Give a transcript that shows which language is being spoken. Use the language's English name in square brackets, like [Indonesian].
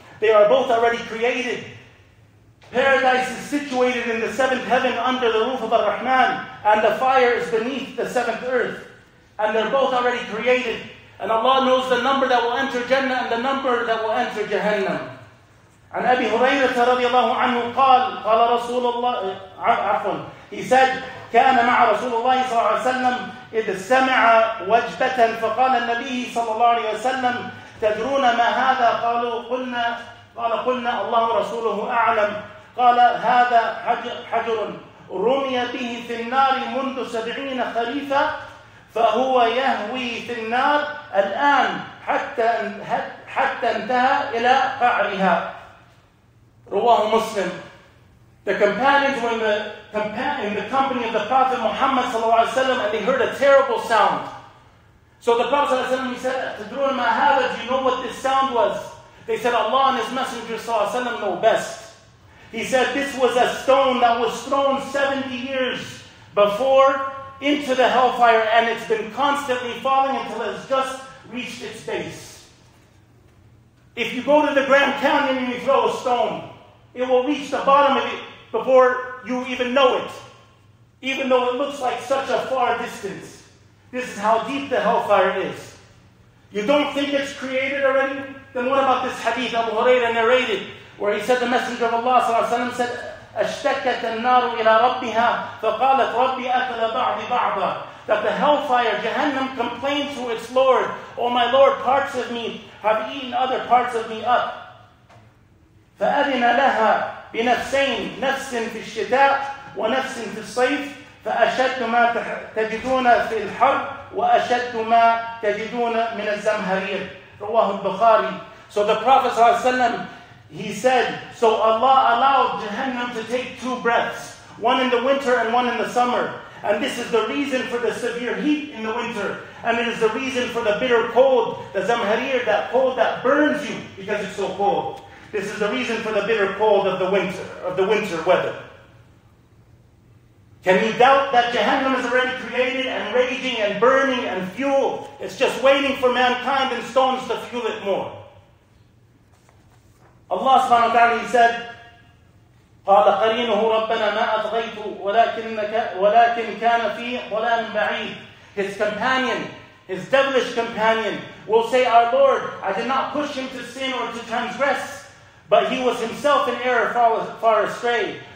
[English] They are both already created. Paradise is situated in the seventh heaven under the roof of Ar-Rahman, and the fire is beneath the seventh earth. And they're both already created. And Allah knows the number that will enter Jannah and the number that will enter Jahannam. And Abi Hurairah radiallahu anhu [Arabic] قال رسول الله عفوا. [English] He said, [Arabic] كان مع رسول الله صلى الله عليه وسلم إذ سمع وجبة فقال النبي صلى الله عليه وسلم تدرون ما هذا قالوا قلنا قال قلنا الله ورسوله أعلم قال هذا حجر رمي به في النار منذ 70 خريفة فهو يهوي في النار الآن حتى انتهى إلى قعرها رواه مسلم. [English] The companions were in the company of the Prophet Muhammad [Arabic] صلى الله عليه وسلم [English] and they heard a terrible sound. So the Prophet [Arabic] صلى الله عليه وسلم [English] said, [Arabic] تدرون ما هذا, [English] do you know what this sound was? They said, Allah and His Messenger [Arabic] صلى الله عليه وسلم [English] know best. He said, this was a stone that was thrown 70 years before into the hellfire, and it's been constantly falling until it has just reached its base. If you go to the Grand Canyon and you throw a stone, it will reach the bottom of it before you even know it, even though it looks like such a far distance. This is how deep the hellfire is. You don't think it's created already? Then what about this hadith Abu Hurairah narrated, where he said the Messenger of Allah [Arabic] صلى الله عليه وسلم [English] said, [Arabic] أشتكت النار إلى ربها فقالت ربي أكل بعض بعضا. [English] That the hellfire, Jahannam, complained to its Lord, oh my Lord, parts of me have eaten other parts of me up. [Arabic] فأذن لها بنفسين, نفس في الشتاء ونفس في الصيف, فأشد ما تجدون في الحرب وأشد ما تجدون من الزمهرير. رواه البخاري. [English] So the Prophet ﷺ, he said, so Allah allowed Jahannam to take two breaths, one in the winter and one in the summer. And this is the reason for the severe heat in the winter. And it is the reason for the bitter cold, the zamharir, that cold that burns you because it's so cold. This is the reason for the bitter cold of the winter, weather. Can you doubt that Jahannam is already created and raging and burning and fueled? It's just waiting for mankind and stones to fuel it more. Allah subhanahu wa ta'ala, he said, [Arabic] قَالَ قَرِينُهُ رَبَّنَا مَا أَطْغَيْتُ وَلَكِنْ كَانَ فِي ضَلَالٍ بَعِيدٍ. [English] His companion, his devilish companion, will say, our Lord, I did not push him to sin or to transgress, But he was himself in error far astray.